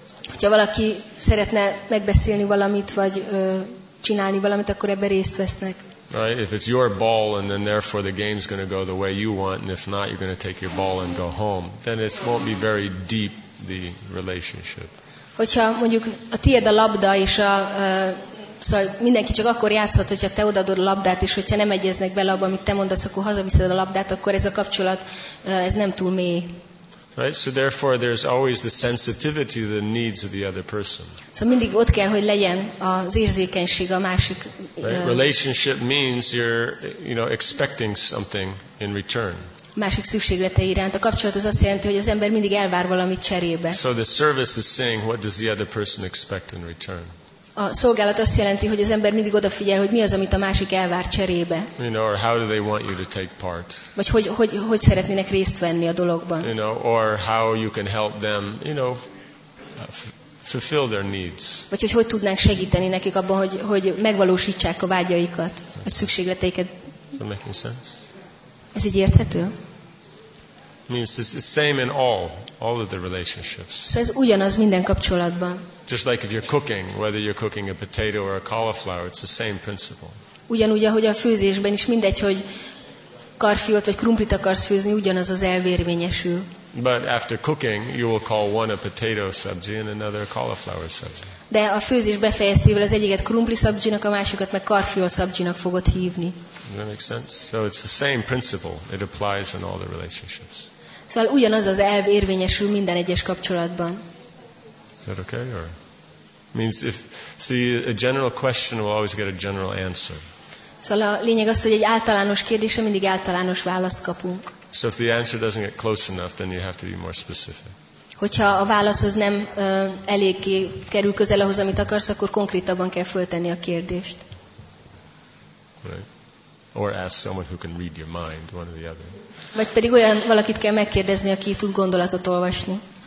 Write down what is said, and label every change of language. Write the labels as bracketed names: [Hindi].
[Hungarian] Hogyha valaki szeretne megbeszélni valamit vagy csinálni valamit, akkor ebben részt vesznek. [English] Right? If it's your ball and then therefore the game's going to go the way you want and if not you're going to take your ball and go home, then it won't be very deep the relationship. [Hungarian] Hogyha mondjuk a tiéd a labda és a szóval mindenki csak akkor játszhat, hogyha te odaadod a labdát és hogyha nem egyeznek bele abba, amit te mondasz, akkor hazaviszed a labdát, akkor ez a kapcsolat ez nem túl mély. [English] Right, so therefore there's always the sensitivity to the needs of the other person. [Hungarian] So mindig ott kell, hogy legyen az érzékenység a másik. [English] Right? Relationship means you're, you know, expecting something in return. [Hungarian] Másik szükséglete iránt. A kapcsolat az azt jelenti, hogy az ember mindig elvár valamit cserébe. [English] So the service is saying, what does the other person expect in return? [Hungarian] A szolgálat azt jelenti, hogy az ember mindig odafigyel, hogy mi az, amit a másik elvár cserébe. [English] You know, or how do they want you to take part? [Hungarian] Vagy hogy szeretnének részt venni a dologban? [English] You know, or how you can help them, you know, fulfill their needs. [Hungarian] Vagy hogy tudnánk segíteni nekik abban, hogy megvalósítsák a vágyaikat, a szükségleteiket. [English] So making sense? [Hungarian] Ez így érthető? [English] Means it's the same in all of the relationships. [Hungarian] Szóval ez ugyanaz minden kapcsolatban. [English] Just like if you're cooking, whether you're cooking a potato or a cauliflower, it's the same principle. [Hungarian] Ugyanúgy, ahogy a főzésben is mindegy, hogy karfiolt vagy krumplit akarsz főzni, ugyanaz az elvérvényesül. [English] But after cooking, you will call one a potato sabzi and another a cauliflower sabzi. [Hungarian] De a főzés befejeztével az egyiket krumpli szabzsinak, a másikat meg karfiol szabzsinak fogod hívni. [English] Does that make sense? So it's the same principle. It applies in all the relationships. [Hungarian] Szóval ugyanaz az elv érvényesül minden egyes kapcsolatban. [English] Is that okay? Or means if see a general question will always get a general answer. [Hungarian] Szóval a lényeg az, hogy egy általános kérdésre mindig általános választ kapunk. [English] So if the answer doesn't get close enough, then you have to be more specific. [Hungarian] Hogyha a válasz az nem eléggé kerül közel ahhoz, amit akarsz, akkor konkrétabban kell föltenni a kérdést. [English] Right. Or ask someone who can read your mind, one or the other. [Hungarian] Vagy pedig olyan valakit kell megkérdezni, aki tud gondolatot olvasni.